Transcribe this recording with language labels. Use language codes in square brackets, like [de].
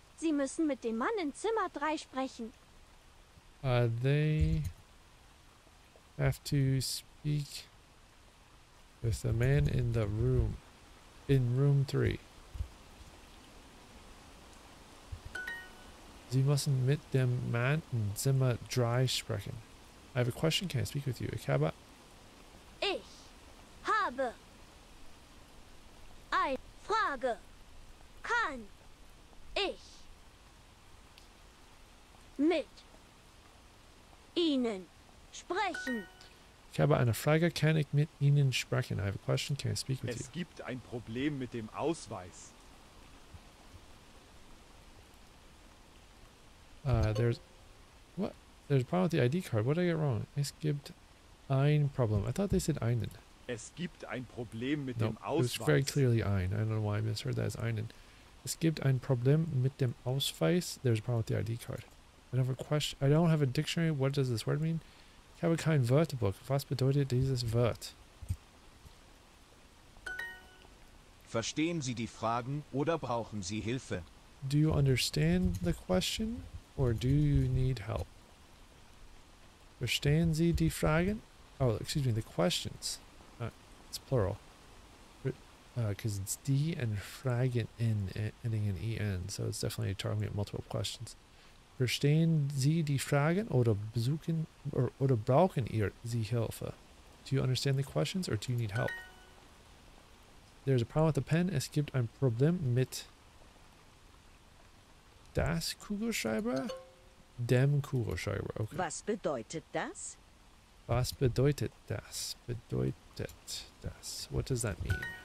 [de] Sie müssen mit dem Mann in Zimmer 3 sprechen. [en] They have to speak with the man in the room, in room 3. [de] Sie müssen mit dem Mann im Zimmer 3 sprechen. [en] I have a question, can I speak with you? [de] Ich habe eine Frage. Kann ich mit Ihnen sprechen. Ich habe eine Frage, kann ich mit Ihnen sprechen? [en] I have a question, can I speak with [de] es [en] you? [de] Es gibt ein Problem mit dem Ausweis. [en] There's a problem with the ID card. What did I get wrong? [de] Es gibt ein Problem. [en] I thought they said einen. [de] Es gibt ein Problem mit [en] nope, [de] dem Ausweis. [en] It was very clearly ein. I don't know why I misheard that as einen. [de] Es gibt ein Problem mit dem Ausweis. [en] There's a problem with the ID card. I don't have a question. I don't have a dictionary. What does this word mean? [de] Ich habe kein Wörterbuch. Was bedeutet dieses Wort? Verstehen Sie die Fragen oder brauchen Sie Hilfe? [en] Do you understand the question or do you need help? [de] Verstehen Sie die Fragen? [en] Oh, excuse me, the questions. It's plural. Because it's die and Fragen ending in EN. So it's definitely talking about multiple questions. [de] Verstehen Sie die Fragen oder besuchen oder brauchen ihr Sie Hilfe? [en] Do you understand the questions or do you need help? There's a problem with the pen. [de] Es gibt ein Problem mit das Kugelschreiber? Dem Kugelschreiber. Okay. Was bedeutet das? Was bedeutet das? Bedeutet das? [en] What does that mean?